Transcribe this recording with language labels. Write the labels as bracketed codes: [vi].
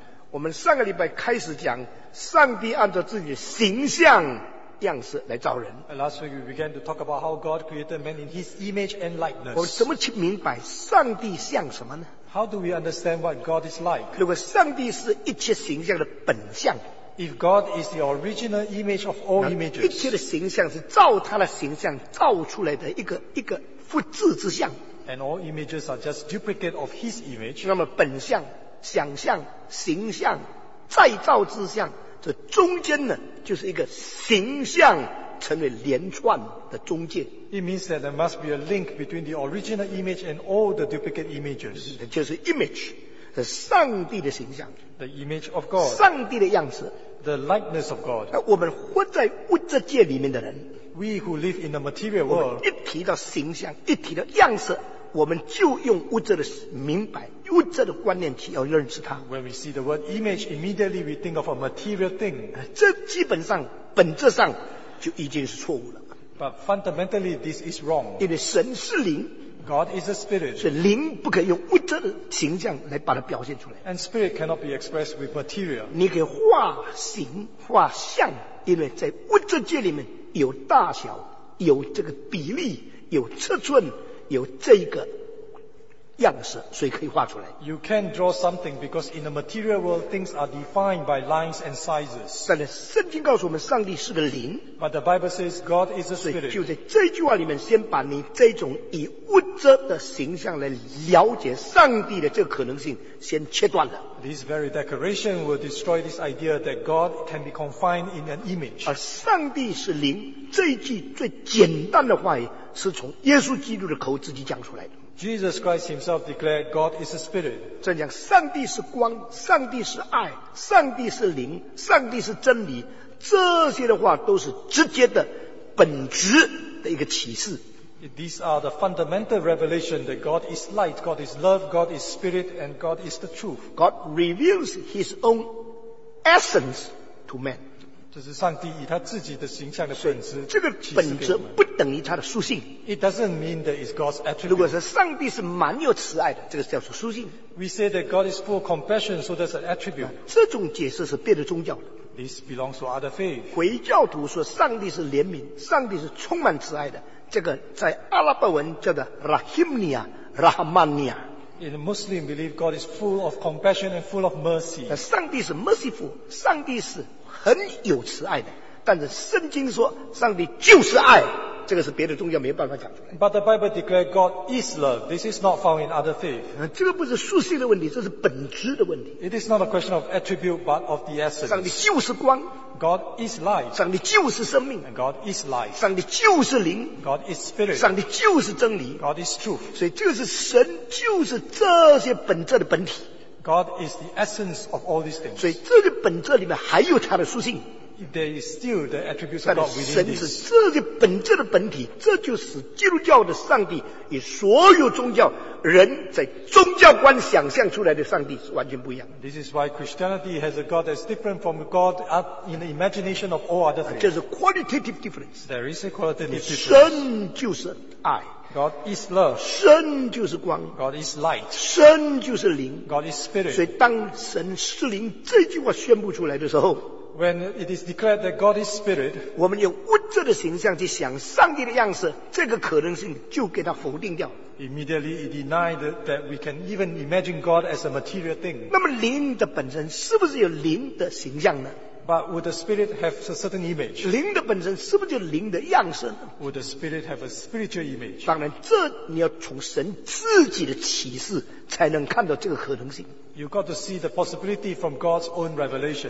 [zh] 我们上个礼拜开始讲上帝按照自己的形象样式来造人。 [en] Last week we began to talk about how God created man in His image and likeness. [zh] 我怎么去明白上帝像什么呢 [en] ？How do we understand what God is like？ [zh] 如果上帝是一切形象的本相 [en] ，If God is the original image of all images， [zh] 一切的形象是照他的形象造出来的一个复制之像。 [en] And all images are just duplicate of His image。 [zh] 那么本相、想象、形象、再造之相。这中间呢，就是一个形象成为连串的中介。 [en] It means that there must be a link between the original image and all the duplicate images. [zh] 就是 image， 是上帝的形象。 [en] The image of God. [zh] 上帝的样式。 [en] The likeness of God. [zh] 我们活在物质界里面的人。 [en] We who live in the material world. [zh] 我们一提到形象，一提到样式。我们就用物质的明白物质的观念去要认识它 [en] When we see the word image immediately we think of a material thing [zh] 这基本上本质上就已经是错误了 [en] But fundamentally this is wrong [zh] 因为神是灵 [en] God is a spirit [zh] 所以灵不可以用物质的形象来把它表现出来 [en] And spirit cannot be expressed with material [zh] 你可以画形画像因为在物质界里面有大小有这个比例有尺寸有这个样式，所以可以画出来。 [en] You can draw something because in the material world things are defined by lines and sizes. [zh] 但是圣经告诉我们，上帝是个灵。 [en] But the Bible says God is a spirit. [zh] 就在这句话里面，先把你这种以物质的形象来了解上帝的这个可能性，先切断了。 [en] This very declaration will destroy this idea that God can be confined in an image. [zh] 而上帝是灵，这一句最简单的话语是从耶稣基督的口自己讲出来的。 [en] Jesus Christ himself declared God is a spirit. [zh] 正讲上帝是光，上帝是爱，上帝是灵，上帝是真理，这些的话都是直接的本质的一个启示。 [en] These are the fundamental revelation that God is light, God is love, God is spirit, and God is the truth. God reveals his own essence to man. [zh] 这是上帝以他自己的形象的本质。这个本质不等于他的属性。 [en] It doesn't mean that it's God's attribute. [zh] 如果是上帝是满有慈爱的，这个叫做属性。 [en] We say that God is full of compassion, so that's an attribute. [zh] 这种解释是别的宗教的。 [en] This belongs to other faith. [zh] 回教徒说上帝是怜悯，上帝是充满慈爱的。这个在阿拉伯文叫做 Rahimnia, Rahmania. [en] In Muslim believe God is full of compassion and full of mercy. [zh] 上帝是 merciful, 上帝是很有慈爱的。但是圣经说上帝就是爱，这个是别的宗教没办法讲出来。 [en] But the Bible declares God is love. This is not found in other faith. [zh] 这个不是属性的问题，这是本质的问题。 [en] It is not a question of attribute, but of the essence. [zh] 上帝就是光。 [en] God is light. [zh] 上帝就是生命。 [en] And God is life. [zh] 上帝就是灵。 [en] God is spirit. [zh] 上帝就是真理。 [en] God is truth. [zh] 所以这个是神，就是这些本质的本体。 [en] God is the essence of all these things. [zh] 所以这个本质里面还有他的属性。 [en] There is still the attributes of God within this. [zh] 神是这些本质的本体，这就是基督教的上帝与所有宗教人在宗教观想象出来的上帝是完全不一样的。 [en] This is why Christianity has a God that's different from God in the imagination of all other things. [zh] 这是 [en] qualitative difference. There is a qualitative difference. [zh] 神就是爱。 [en] God is love. [zh] 神就是光。 [en] God is light. [zh] 神就是灵。 [en] God is spirit. [zh] 所以当神是灵这句话宣布出来的时候。 [en] When it is declared that God is spirit, [zh] 我们用物质的形象去想上帝的样式，这个可能性就给它否定掉。 [en] Immediately it denied that we can even imagine God as a material thing. [zh] 那么灵的本身是不是有灵的形象呢？ [en] But would the spirit have a certain image? [zh] 灵的本身是不是就灵的样式呢 [en] ？Would the spirit have a spiritual image? [zh] 当然，这你要从神自己的启示才能看到这个可能性。 [en] You've got to see the possibility from God's own revelation.